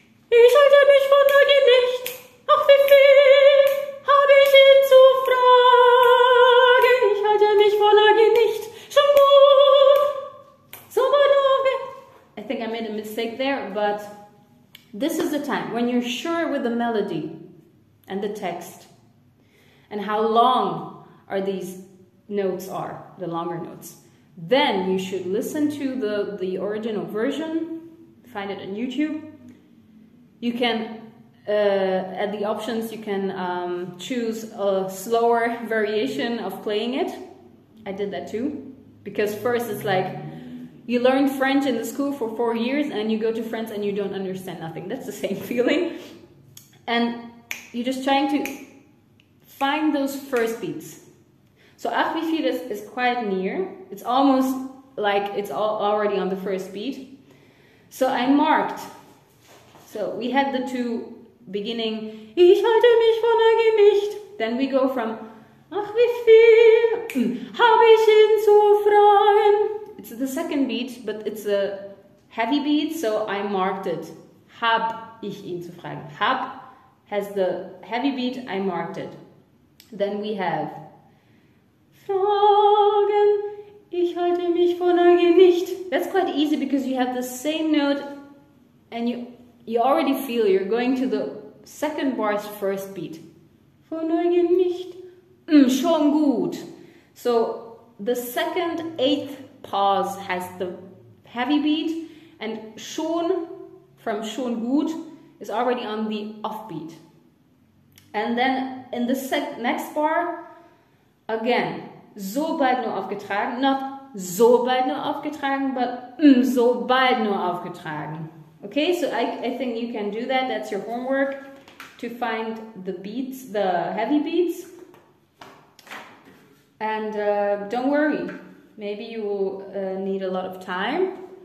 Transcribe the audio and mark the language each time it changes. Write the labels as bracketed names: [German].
[German] Ich halte mich vor Neugier nicht, ach wie viel habe ich ihn zu fragen. Ich halte mich vor Neugier nicht, schon gut, so weit auf. [English] I think I made a mistake there, but this is the time when you're sure with the melody and the text. And how long are these notes are, the longer notes. Then you should listen to the original version, find it on YouTube. You can, at the options, you can choose a slower variation of playing it. I did that too, because first it's like, you learned French in the school for 4 years and you go to France and you don't understand nothing. That's the same feeling. And you're just trying to find those first beats. So [German] Ach wie viel [English] is quite near. It's almost like it's all already on the first beat. So I marked. So we had the two beginning. [German] Ich halte mich von euch nicht. [English] Then we go from [German] Ach wie viel hab ich ihn zu fragen. [English] It's the second beat, but it's a heavy beat, so I marked it. [German] Hab ich ihn zu fragen. [English] Hab has the heavy beat, I marked it. Then we have [German] Fragen, ich halte mich von euch nicht. [English] That's quite easy because you have the same note and you already feel you're going to the second bar's first beat. [German] Von euch nicht. Schon gut. [English] So the second eighth pause has the heavy beat and schon from schon gut is already on the offbeat. And then in the next bar, again, [German] so bald nur aufgetragen, not so bald nur aufgetragen, but so bald nur aufgetragen. [English] Okay, so I think you can do that. That's your homework, to find the beats, the heavy beats. And don't worry, maybe you will need a lot of time.